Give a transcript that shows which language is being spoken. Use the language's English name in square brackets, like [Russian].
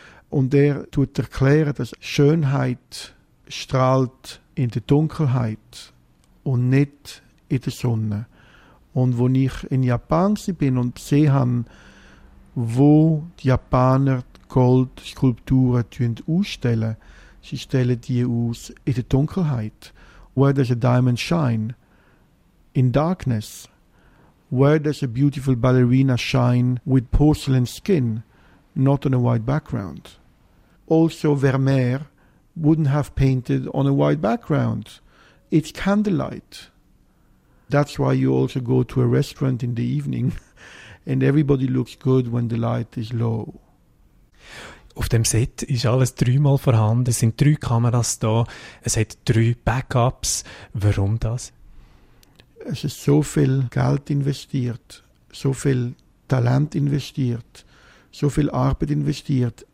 [German] Und er tut erklären, dass Schönheit strahlt in der Dunkelheit und nicht in der Sonne. Und als ich in Japan war und gesehen habe, wo die Japaner Goldskulpturen ausstellen, sie stellen die aus in der Dunkelheit. [English] Where does a diamond shine? In darkness. Where does a beautiful ballerina shine with porcelain skin? Not on a white background. Also Vermeer wouldn't have painted on a white background. It's candlelight. That's why you also go to a restaurant in the evening and everybody looks good when the light is low. [German] Auf dem Set ist alles dreimal vorhanden. Es sind drei Kameras da. Es hat drei Backups. Warum das? Es ist so viel Geld investiert, so viel Talent investiert, so viel Arbeit investiert.